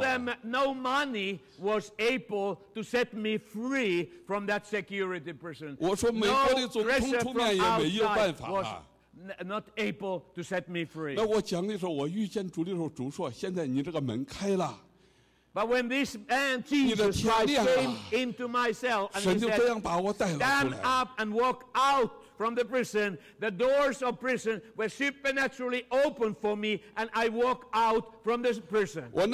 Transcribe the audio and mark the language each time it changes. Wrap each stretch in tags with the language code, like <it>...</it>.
<en>And I told them no money was able to set me free from that security prison.</en> <zh>我说美国的总统出面也没有办法了。</zh> <en>Not able to set me free.</en> <zh>那我讲的时候，我遇见主的时候，主说现在你这个门开了。</zh> <en>But when this man Jesus came into my cell and said, stand up and walk out from the prison, the doors of prison were supernaturally opened for me, and I walk out from this prison.</en>